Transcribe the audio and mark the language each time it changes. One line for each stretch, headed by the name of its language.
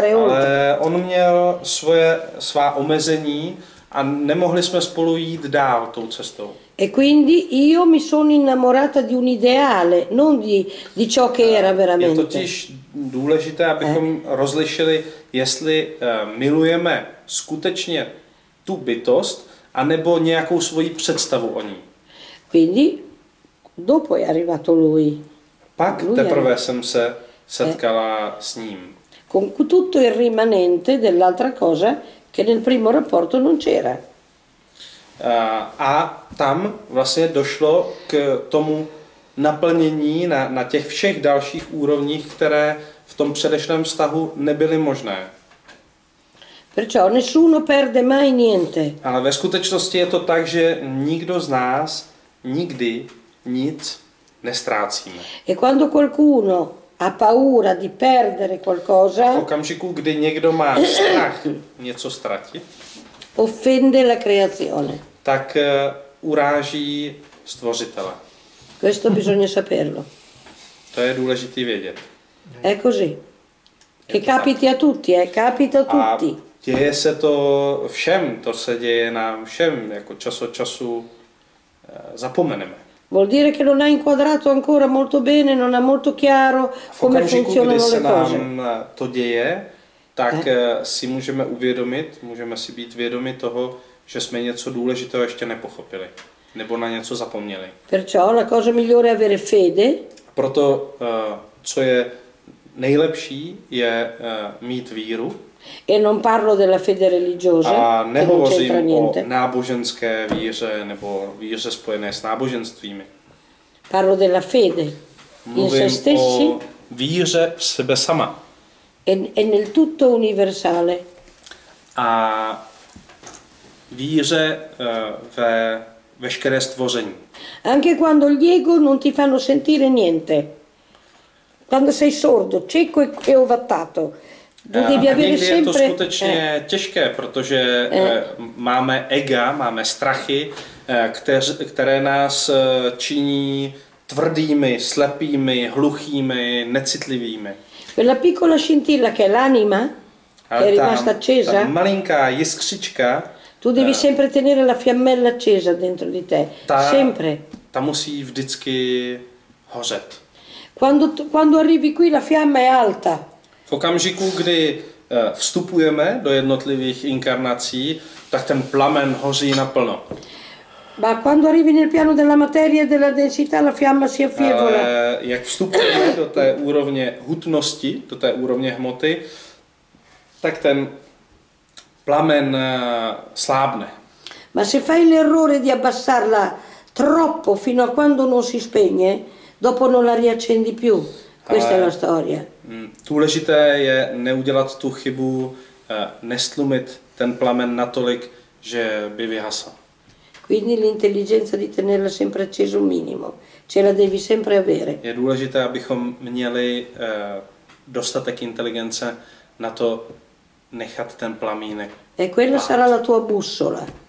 Czech: Ale on měl svá omezení a nemohli jsme spolu jít dál tou cestou.
Italian: E quindi io mi sono innamorata di un ideale, non di ciò che era veramente.
Czech: Je totiž důležité, abychom rozlišili, jestli milujeme skutečně tu bytost, anebo nějakou svoji představu o ní.
Italian: Quindi dopo è arrivato lui.
Czech: Pak teprve jsem se setkala s ním.
Italian: Con tutto il rimanente dell'altra cosa che nel primo rapporto non c'era.
Czech: A tam vlastně došlo k tomu naplnění na těch všech dalších úrovních, které v tom předešlém vztahu nebyly možné.
Italian: Perciò nessuno perde mai niente.
Czech: Ale ve skutečnosti je to tak, že nikdo z nás nikdy nic nestrácíme.
Italian: E quando qualcuno ha paura di perdere qualcosa,
Czech: v okamžiku, kdy někdo má strach něco ztratit,
Italian: offende la creazione.
Czech: Ta tak uráží stvořitele.
Italian: Questo bisogna saperlo.
Czech: To je důležitý vědět.
Italian: È così. Che capiti a tutti, capita tutti.
Czech: Děje se to všem, to se děje nám všem, jako čas od času zapomeneme.
Italian: Vuol dire che non ha inquadrato ancora molto bene, non ha molto chiaro come funzionano le cose.
Czech: Když se nám to děje, tak si můžeme uvědomit, můžeme si být vědomi toho, že jsme něco důležitého ještě nepochopili nebo na něco zapomněli.
Italian: Perciò la cosa migliore è avere fede.
Czech: Proto co je nejlepší, je mít víru.
Italian: E non parlo della fede religiosa,
Czech: a nehovořím o náboženské víře nebo víře spojené s náboženstvími.
Italian: Parlo della fede in se stessi.
Czech: Mluvím o víře v sebe sama.
Italian: E nel tutto universale.
Czech: A víře ve veškeré stvoření.
Italian: Anche quando gli ego non ti fanno sentire niente. Quando sei sordo, cieco e ovattato.
Czech: Někdy je to skutečně těžké, protože máme ega, máme strachy, které nás činí tvrdými, slepými, hluchými, necitlivými.
Italian: Quella piccola scintilla che è l'anima che è rimasta accesa.
Czech: Ta malinká jiskřička.
Italian: Tu devi sempre tenere la fiammella accesa dentro di te, sempre.
Czech: Ta musí vždycky hořet.
Italian: Quando arrivi qui la fiamma è alta.
Czech: V okamžiku, kdy vstupujeme do jednotlivých inkarnací, tak ten plamen hoří naplno.
Italian: Ma quando arrivi nel piano della materia e della densità la fiamma si affievola.
Czech: Jak vstupujeme do té úrovně hutnosti, do té úrovně hmoty, tak ten plamen slábne.
Italian: Ma se fai l'errore di abbassarla troppo fino a quando non si spegne, dopo non la riaccendi più. Questa è la storia.
Czech: Důležité je neudělat tu chybu, nestlumit ten plamen natolik, že by vyhasl.
Italian: Quindi l'intelligenza di tenerla sempre accesa un minimo, ce la devi sempre avere.
Czech: Je důležité, abychom měli dostatek inteligence na to nechat ten plamínek.
Italian: E quella sarà la tua bussola.